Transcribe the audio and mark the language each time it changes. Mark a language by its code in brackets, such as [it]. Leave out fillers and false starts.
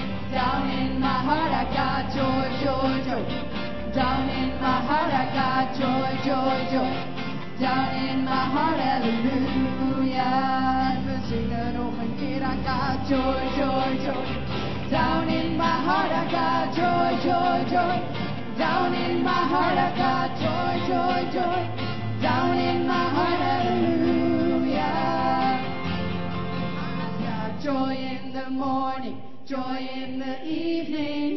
[en] Down in my heart, I got joy, joy, joy. Down in my heart, I got joy, joy, joy. Down in my heart, hallelujah. [nl] We zingen nog een keer, [en] I got joy, joy, joy. Down in my heart, I got joy, joy, joy. Down in my heart, I got joy, joy, joy. Down in my heart, hallelujah. I got joy. joy in the morning, joy in the evening.